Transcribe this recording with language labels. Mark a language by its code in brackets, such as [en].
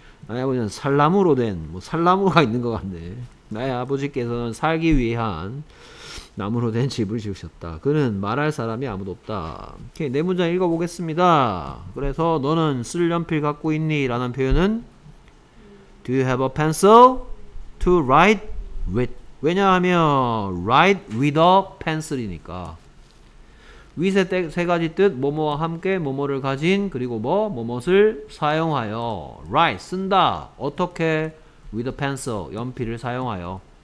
[ko] 나의 아버지는 살나무로 된뭐 살나무가 있는 것 같네. 나의 아버지께서는 살기 위한 나무로 된 집을 지으셨다. 그는 말할 사람이 아무도 없다. 오케이, 내 문장 읽어보겠습니다. 그래서 너는 쓸 연필 갖고 있니? 라는 표현은 [en] Do you have a pencil to write with? [ko] 왜냐하면 [en] write with a pencil [ko] 이니까. 위세 세 가지 뜻, 뭐뭐와 함께, 뭐뭐를 가진, 그리고 뭐, 뭐뭐를 사용하여. write, 쓴다. 어떻게? [en] with a pencil, [ko] 연필을 사용하여.